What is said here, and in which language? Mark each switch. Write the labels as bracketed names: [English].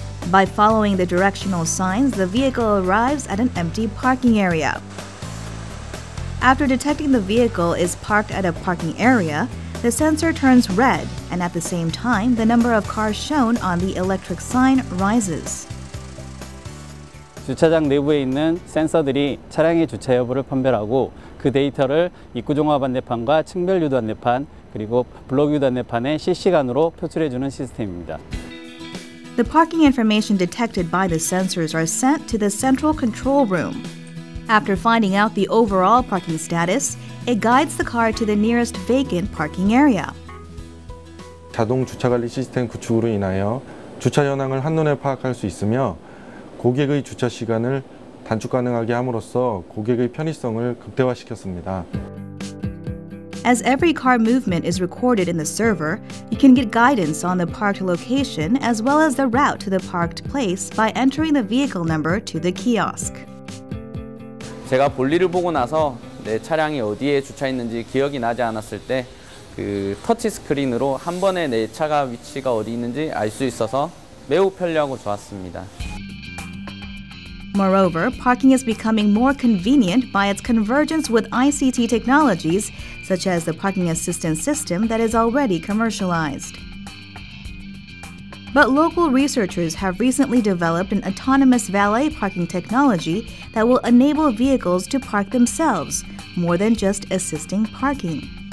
[English] By following the directional signs, the vehicle arrives at an empty parking area. After detecting the vehicle is parked at a parking area, the sensor turns red, and at the same time, the number of cars shown on the electric sign rises. [Korean] 주차장 내부에 있는 센서들이 차량의 주차 여부를 판별하고 그 데이터를 입구 종합 안내판과 층별 유도 안내판 그리고 블록 유도 안내판에 실시간으로 표출해 주는 시스템입니다. [English] The parking information detected by the sensors are sent to the central control room. After finding out the overall parking status, it guides the car to the nearest vacant parking area. [Korean] 자동 주차 관리 시스템 구축으로 인하여 주차 현황을 한눈에 파악할 수 있으며 고객의 주차 시간을 단축 가능하게 함으로써 고객의 편의성을 극대화시켰습니다. [English] As every car movement is recorded in the server, you can get guidance on the parked location as well as the route to the parked place by entering the vehicle number to the kiosk. [Korean] 제가 볼일을 보고 나서 내 차량이 어디에 주차 있는지 기억이 나지 않았을 때 그 터치 스크린으로 한 번에 내 차가 위치가 어디 있는지 알 수 있어서 매우 편리하고 좋았습니다. [English] Moreover, parking is becoming more convenient by its convergence with ICT technologies, such as the parking assistance system that is already commercialized. But local researchers have recently developed an autonomous valet parking technology that will enable vehicles to park themselves, more than just assisting parking.